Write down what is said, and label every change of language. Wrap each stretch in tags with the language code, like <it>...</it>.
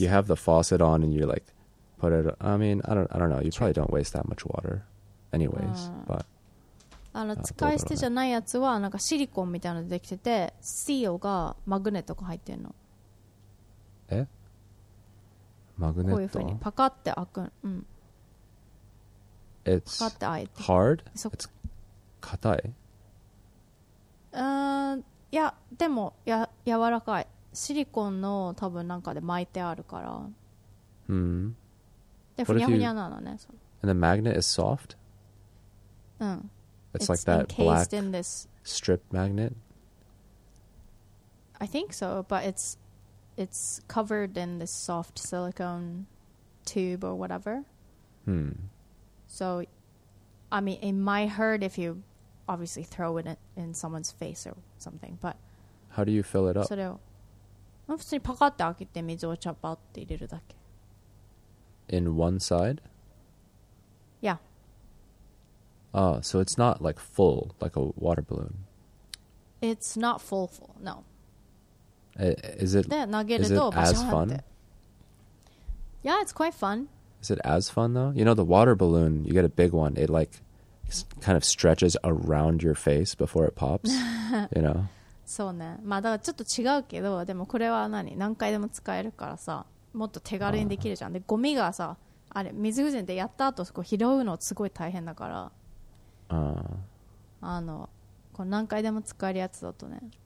<en>you have the faucet on and you like put it. I mean, I don't know. You probably don't waste that much water, anyways. But</en> <ja>あの使い捨てじゃないやつはなんかシリコンみたいなのでできてて、シールがマグネットが入ってるの。え？マグネット。こういうふうにパカって開くん。うん。</ja> <en>It's</en> <ja>パカって開いて。</ja> <en>Hard? It's</en> <ja>硬い。いやでもや柔らかい。シリコンの多分なんかで巻いてあるから。で、ふにゃふにゃなのね。</ja> <en>And the magnet is soft? It's like that black strip magnet? I think so, but it's covered in this soft silicone tube or whatever. So, I mean, it might hurt if you obviously throw it in someone's face or something, but... How do you fill it up?</en> <ja>それを普通にパカッと開けて水をチャパって入れるだけ。</ja> <en>In one side? Yeah. Oh, so it's not like full, like a water balloon. It's not full, no. Is it as fun? Yeah, it's quite fun. Is it as fun though? You know, the water balloon, you get a big one, it like kind of stretches around your face before it pops, you know?</en> <ja>そうね。まあ、だからちょっと違うけど、でもこれは何？何回でも使えるからさ、もっと手軽にできるじゃん。で、ゴミがさ、あれ、水風船でやった後、こう拾うのすごい大変だから。あの、こう何回でも使えるやつだとね。</ja>